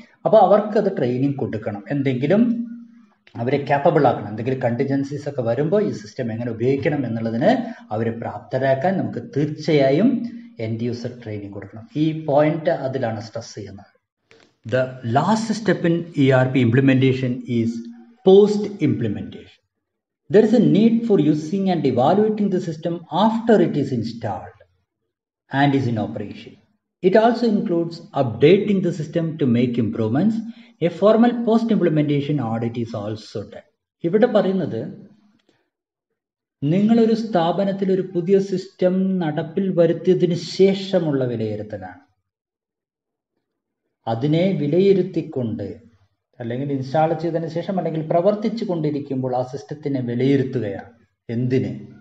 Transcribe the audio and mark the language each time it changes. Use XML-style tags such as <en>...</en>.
<ml>അപ്പോൾ അവർക്കത് ട്രെയിനിങ് കൊടുക്കണം, എന്തെങ്കിലും അവരെ ക്യാപ്പബിൾ ആക്കണം, എന്തെങ്കിലും കണ്ടിജൻസീസ് ഒക്കെ വരുമ്പോൾ ഈ സിസ്റ്റം എങ്ങനെ ഉപയോഗിക്കണം എന്നുള്ളതിന് അവരെ പ്രാപ്തരാക്കാൻ നമുക്ക് തീർച്ചയായും എൻഡ് യൂസർ ട്രെയിനിങ് കൊടുക്കണം. ഈ പോയിന്റ് അതിലാണ് സ്ട്രെസ് ചെയ്യുന്നത്.</ml> <en>The last step in ERP implementation is post implementation. There is a need for using and evaluating the system after it is installed and is in operation. It also includes updating the system to make improvements. A formal post-implementation audit is also done.</en> <ml>ഇവിടെ പറയുന്നത് നിങ്ങളൊരു സ്ഥാപനത്തിൽ ഒരു പുതിയ system നടപ്പിൽ വരുത്തിയതിന് ശേഷമുള്ള വിലയിരുത്തലാണ്. അതിനെ വിലയിരുത്തിക്കൊണ്ട് അല്ലെങ്കിൽ ഇൻസ്റ്റാൾ ചെയ്തതിന് ശേഷം അല്ലെങ്കിൽ പ്രവർത്തിച്ചു കൊണ്ടിരിക്കുമ്പോൾ ആ സിസ്റ്റത്തിനെ വിലയിരുത്തുകയാണ്. എന്തിന്?</ml>